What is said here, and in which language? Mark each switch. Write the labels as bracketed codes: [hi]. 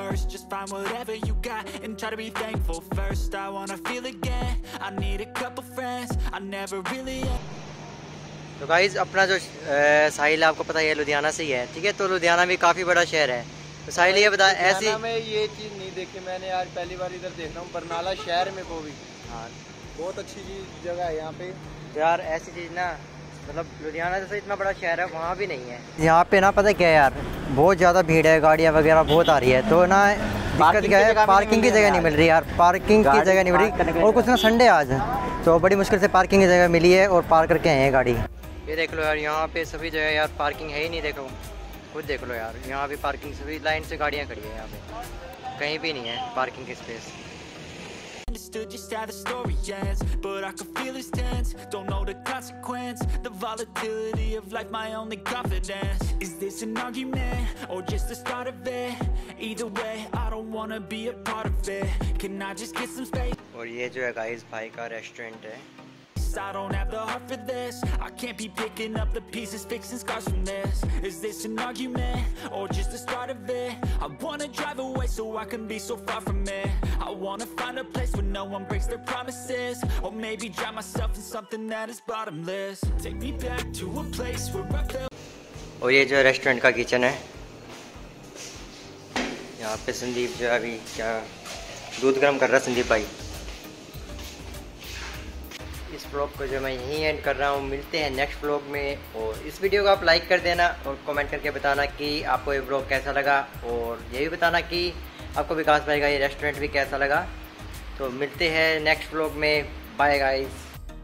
[en] Just find whatever you got and try to be thankful first. I wanna feel again. I need a couple friends. I never really. [hi] तो guys अपना जो साहिल आपको पता है लुधियाना से ही है, ठीक है? तो लुधियाना भी काफी बड़ा शहर है। तो साहिल ये बता, ऐसी मैं ये चीज नहीं देखी मैंने आज, पहली बार इधर देख रहा हूँ बरनाला शहर में वो भी। हाँ बहुत अच्छी जगह है यहाँ पे यार, ऐसी चीज ना मतलब लुधियाना जैसा इतना बड़ा शहर है वहाँ भी नहीं है। यहाँ पे ना पता क्या यार, बहुत ज़्यादा भीड़ है, गाड़ियाँ वगैरह बहुत आ रही है, तो ना दिक्कत क्या है, पार्किंग की जगह नहीं मिल रही यार, पार्किंग की जगह नहीं मिल रही। और कुछ ना संडे आज तो बड़ी मुश्किल से पार्किंग की जगह मिली है और पार्क करके आए हैं गाड़ी। ये देख लो यार यहाँ पे सभी जगह यार पार्किंग है ही नहीं, देखो खुद देख लो यार यहाँ भी पार्किंग सभी लाइन से गाड़ियाँ खड़ी है, यहाँ पे कहीं भी नहीं है पार्किंग की space. [en] Understood just how the story ends, but I could feel his tense. Don't know the consequence, the volatility of life, my only confidence. Is this an argument or just the start of it? Either way, I don't want to be a part of it. Can I just get some space? [hi] Aur ye jo hai guys, bhai ka restaurant hai. [en] I don't have the heart for this. I can't be picking up the pieces, fixing scars from this. Is this an argument or just the start of it? I wanna drive away so I can be so far from it. I wanna find a place where no one breaks their promises, or maybe drive myself in something that is bottomless. Take me back to a place where I felt. [hi] Oh, ये जो restaurant का kitchen है, यहाँ पे संदीप जो अभी क्या दूध गर्म कर रहा है संदीप भाई। इस व्लॉग को जो मैं यहीं एंड कर रहा हूँ, मिलते हैं नेक्स्ट व्लॉग में। और इस वीडियो को आप लाइक कर देना और कमेंट करके बताना कि आपको ये व्लॉग कैसा लगा, और ये भी बताना कि आपको विकास भाई का ये रेस्टोरेंट भी कैसा लगा। तो मिलते हैं नेक्स्ट व्लॉग में, बाय गाइज़।